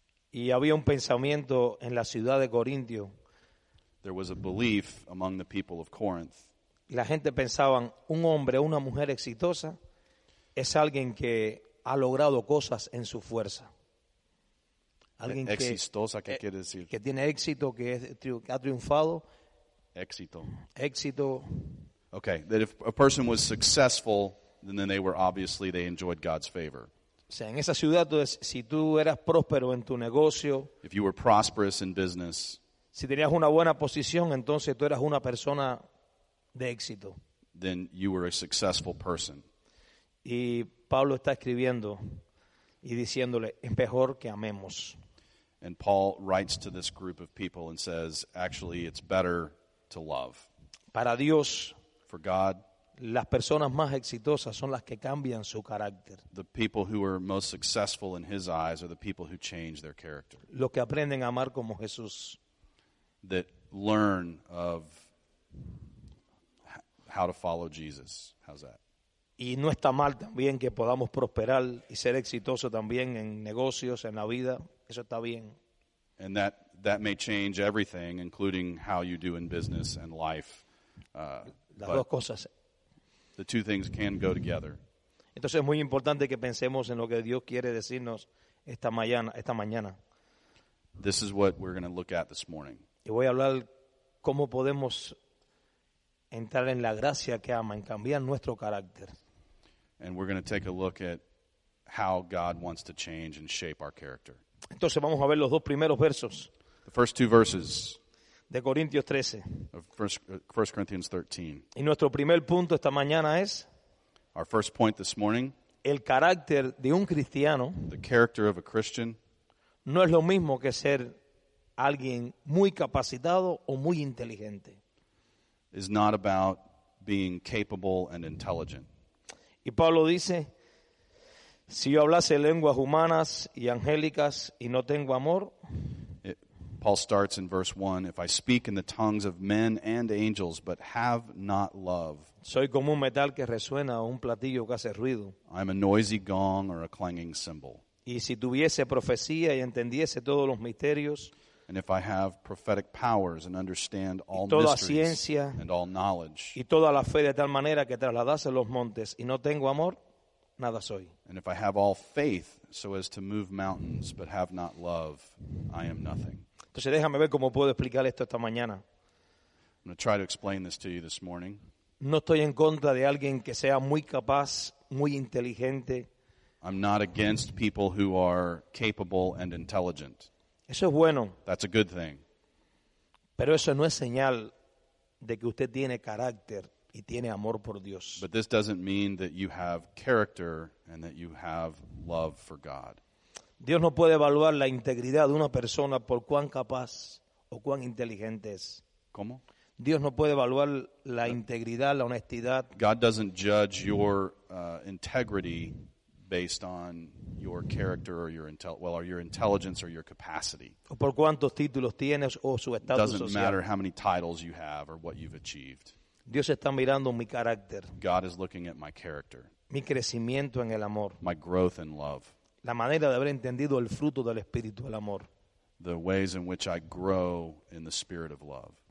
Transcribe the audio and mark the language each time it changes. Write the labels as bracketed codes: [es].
[es] Y había un pensamiento en la ciudad de Corinto. [en] There was a belief among the people of Corinth. [es] La gente pensaban, un hombre o una mujer exitosa es alguien que ha logrado cosas en su fuerza. Alguien exitosa, ¿qué quiere decir? Que tiene éxito, que ha triunfado. Éxito. Éxito. [en] Okay, that if a person was successful, then they were obviously, they enjoyed God's favor. [es] O sea, en esa ciudad, si tú eras próspero en tu negocio. [en] If you were prosperous in business. [es] Si tenías una buena posición, entonces tú eras una persona de éxito. [en] Then you were a successful person. [es] Y Pablo está escribiendo y diciéndole, es mejor que amemos. [en] And Paul writes to this group of people and says, actually, it's better to love. [es] Para Dios, [en] for God, [es] las personas más exitosas son las que cambian su carácter. [en] The people who are most successful in his eyes are the people who change their character. [es] Los que aprenden a amar como Jesús. [en] That learn of how to follow Jesus. How's that? [es] Y no está mal también que podamos prosperar y ser exitoso también en negocios, en la vida. Eso está bien. [en] And that may change everything, including how you do in business and life. [es] Las dos cosas. [en] The two things can go together. [es] Entonces es muy importante que pensemos en lo que Dios quiere decirnos esta mañana. [en] This is what we're going to look at this morning. [es] Y voy a hablar cómo podemos entrar en la gracia que ama, en cambiar nuestro carácter. [en] And we're going to take a look at how God wants to change and shape our character. [es] Entonces vamos a ver los dos primeros versos. [en] The first two verses. [es] De Corintios 13. [en] Of 1 Corinthians 13. [es] Y nuestro primer punto esta mañana es. [en] Our first point this morning. [es] El carácter de un cristiano. [en] The character of a Christian. [es] No es lo mismo que ser alguien muy capacitado o muy inteligente. [en] Is not about being capable and intelligent. [es] Y Pablo dice, Si yo hablase lenguas humanas y angélicas y no tengo amor, [en] Paul starts in verse 1, if I speak in the tongues of men and angels but have not love, [es] soy como un metal que resuena o un platillo que hace ruido. [en] I'm a noisy gong or a clanging cymbal. [es] Y si tuviese profecía y entendiese todos los misterios, [en] and if I have prophetic powers and understand all [es] toda [en] mysteries [es] ciencia, [en] and all knowledge, [es] y toda la fe de tal manera que trasladase los montes y no tengo amor, nada soy. [en] And if I have all faith so as to move mountains but have not love, I am nothing. [es] Entonces déjame ver cómo puedo explicar esto esta mañana. [en] I'm going to try to explain this to you this morning. [es] No estoy en contra de alguien que sea muy capaz, muy inteligente. [en] I'm not against people who are capable and intelligent. [es] Eso es bueno. [en] That's a good thing. [es] Pero eso no es señal de que usted tiene carácter y tiene amor por Dios. [en] But this doesn't mean that you have character and that you have love for God. [es] Dios no puede evaluar la integridad de una persona por cuán capaz o cuán inteligente es. ¿Cómo? Dios no puede evaluar la integridad, la honestidad. [en] God doesn't judge your integrity based on your character or your intelligence or your capacity. [es] O por cuántos títulos tienes o su estatus social. [en] It doesn't matter how many titles you have or what you've achieved. [es] Dios está mirando mi carácter. [en] God is looking at my character. [es] Mi crecimiento en el amor. [en] My growth in love. [es] La manera de haber entendido el fruto del Espíritu del amor. [en] The ways in which I grow in the spirit of love.